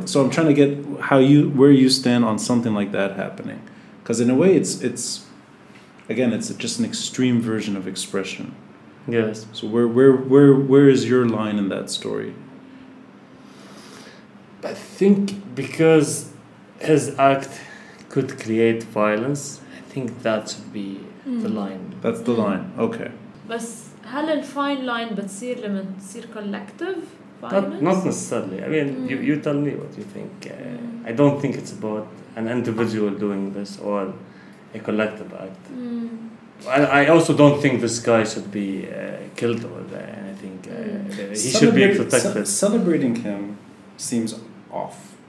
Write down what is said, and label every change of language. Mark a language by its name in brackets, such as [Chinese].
[English] Yeah. So I'm trying to get where you stand on something like that happening, because in a way, it's just an extreme version of expression. Yes. So where is your line in that story? I think because his act could create violence, I think that should be the line. That's the line. Okay. But [Arabic] هل الفاين لاين بتصير لما تصير [English] collective violence? Not necessarily. I mean, you tell me what you think. I don't think it's about an individual doing this or a collective act. I also don't think this guy should be killed or anything. He should be protected. Celebrating him seems off.